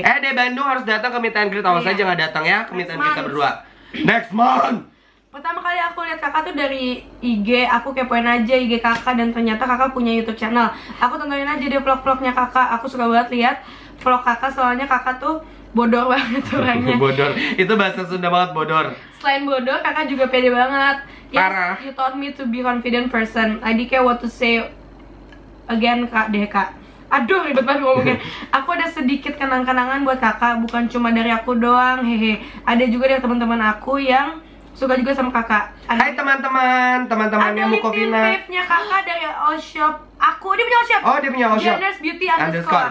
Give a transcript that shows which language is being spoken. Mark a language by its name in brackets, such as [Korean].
[Indonesian] Deh, Bandung harus datang ke meet and greet. Awas aja nggak datang ya ke meet and greet kita berdua. Next month. Pertama kali aku lihat Kakak tuh dari IG, aku kepoin aja IG Kakak dan ternyata Kakak punya YouTube channel. Aku tontonin aja deh vlog-vlognya Kakak. Aku suka banget lihat vlog Kakak, soalnya Kakak tuh bodor banget orangnya. Bodor. Itu bahasa Sunda banget, bodor. Selain bodor, Kakak juga pede banget. Parah. [English] Yes, you taught me to be confident person. I didn't care what to say again [Indonesian] Kak deh Kak. Aduh, ribet banget ngomongnya. Aku ada sedikit kenang-kenangan buat Kakak, bukan cuma dari aku doang. Hehe. Ada juga dari teman-teman aku yang suka juga sama Kakak. Ada. Hai teman-temannya Mukovina. Ada link vape-nya Kakak dari All Shop. Aku, dia punya All Shop. Oh, dia punya All Shop. Generous Beauty underscore.